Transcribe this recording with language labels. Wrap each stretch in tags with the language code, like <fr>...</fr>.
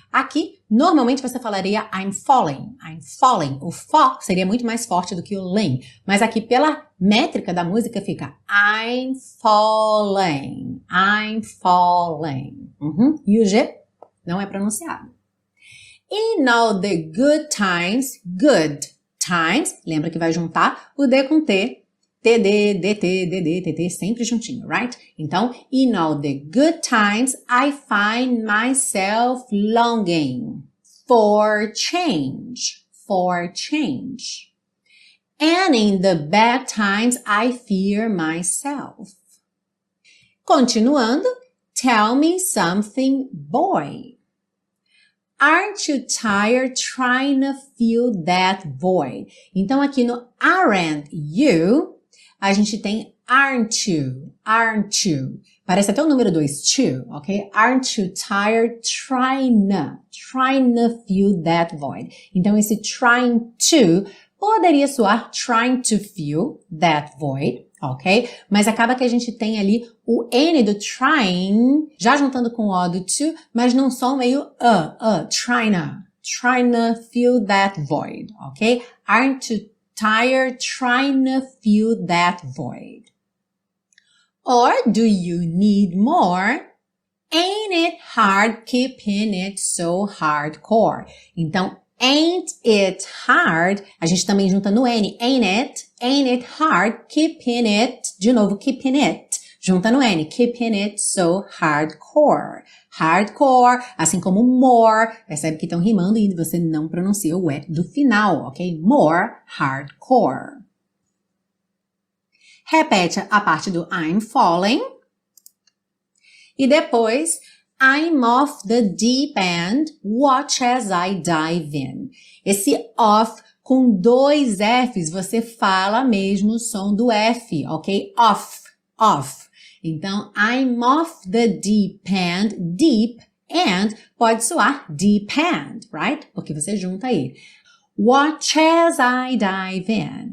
<pt>Aqui, normalmente você falaria</pt> <en>I'm falling. I'm falling.</en> <pt>O fó seria muito mais forte do que o lem. Mas aqui, pela métrica da música, fica</pt> <en>I'm falling. I'm falling.</en> <pt>Uhum. E o G não é pronunciado.</pt> <en>In all the good times, good times.</en> <pt>Lembra que vai juntar o D com T. TD, DT, DD, TT, sempre juntinho, right?</pt> <en>Então, in all the good times, I find myself longing for change, for change. And in the bad times, I fear myself. Continuando, tell me something, boy. Aren't you tired trying to fill that void?</en> <pt>Então, aqui no aren't you, a gente tem aren't you, aren't you. Parece até o número 2, to, ok?</pt> <en>Aren't you tired trying to fill that void.</en> <pt>Então, esse trying to poderia soar</pt> <en>trying to fill that void,</en> <pt>ok? Mas acaba que a gente tem ali o N do trying, já juntando com o O do to, mas num som meio</pt> <en>trying to fill that void,</en> <pt>ok?</pt> <en>Aren't you tired trying to fill that void. Or do you need more? Ain't it hard keeping it so hardcore? Então, ain't it hard?</en> <pt>A gente também junta no N.</pt> <en>Ain't it hard keeping it?</en> <pt>De novo,</pt> <en>keeping it.</en> <pt>Junta no N.</pt> <en>Keeping it so hardcore.</en> <pt>Hardcore, assim como more, percebe que estão rimando e você não pronuncia o E do final, ok?</pt> <en>More hardcore.</en> <pt>Repete a parte do I'm falling.</pt> <en>E depois, I'm off the deep end, watch as I dive in.</en> <pt>Esse off com dois Fs, você fala mesmo o som do F, ok?</pt> <en>Off, off. Então, I'm off the deep end, deep end,</en> <pt>pode soar</pt> <en>deep end, right?</en> <pt>Porque você junta aí.</pt> <en>Watch as I dive in.</en>